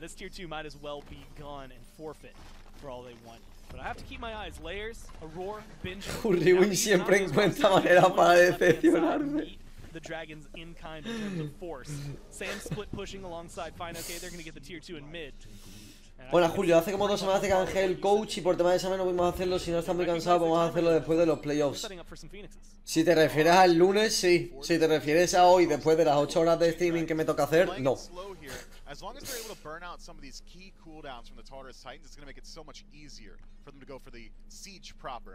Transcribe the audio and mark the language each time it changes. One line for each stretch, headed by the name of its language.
English: This tier 2 might as well be gone and forfeit for all they want. But I have to keep my eyes. Layers, Aurora, Binge.
Spanish: Uriwin siempre encuentra manera para decepcionarme.
English: The dragons in kind in terms of force. Sam split pushing alongside Fine. Okay, they're going to get the tier 2 in mid.
Spanish: Bueno, Julio, hace como dos semanas te canje el coach y por tema de examen no pudimos hacerlo. Si no estás muy cansado, vamos a hacerlo después de los playoffs. Si te refieres al lunes, sí. Si te refieres a hoy, después de las 8 horas de streaming que me toca hacer, no.
English: As long as they're able to burn out some of these key cooldowns from the Tartarus Titans, it's going to make it so much easier for them to go for the siege proper.